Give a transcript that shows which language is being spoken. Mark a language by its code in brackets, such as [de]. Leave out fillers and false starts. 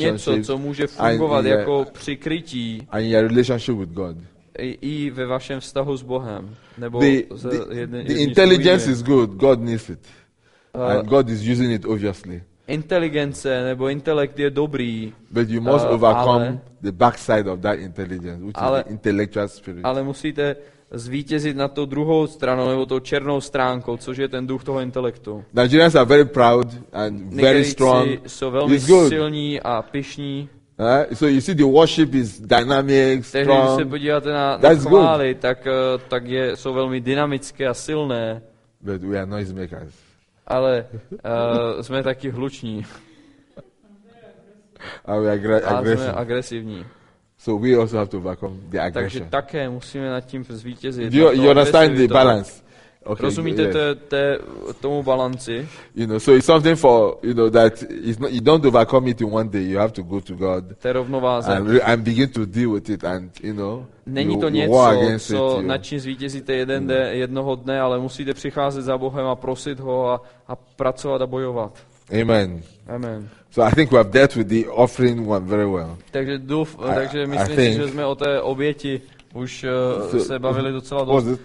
[cs] Je to něco, co může fungovat jako přikrytí. [en] And your relationship with God. [cs] I ve vašem vztahu s Bohem. Nebo [en] the intelligence is good. God needs it. And God is using it obviously. [cs] Inteligence nebo intelekt je dobrý. [en] But you must overcome the backside of that intelligence, which is the intellectual spirit. [cs] Ale musíte zvítězit na tou druhou stranu nebo tou černou stránkou, což je ten duch toho intelektu. [en] Nigerians are very proud and very strong. [cs] Jsou velmi silní a pyšní. [en] So you see the worship is dynamic, strong. [cs] Když se podíváte na chvály, tak jsou velmi dynamické a silné. [en] But we are noisemakers. [cs] Ale jsme taky hluční. [en] And we are aggressive. [cs] A jsme agresivní. [en] So we also have to overcome the aggression. [cs] Takže také musíme nad tím zvítězit. [en] You understand the balance? [cs] Okay, rozumíte tomu balanci? [en] You know, so it's something for you know that it's not, you don't overcome it in one day. You have to go to God and begin to deal with it. And you know, [cs] není to něco, co nad čím zvítězíte jednoho dne, ale musíte přicházet za Bohem a prosit ho a pracovat a bojovat. [en] Amen. [cs] Amen. [en] So I think we have dealt with the offering one very well. [cs] Takže myslím si, že jsme o té oběti už se bavili docela dost.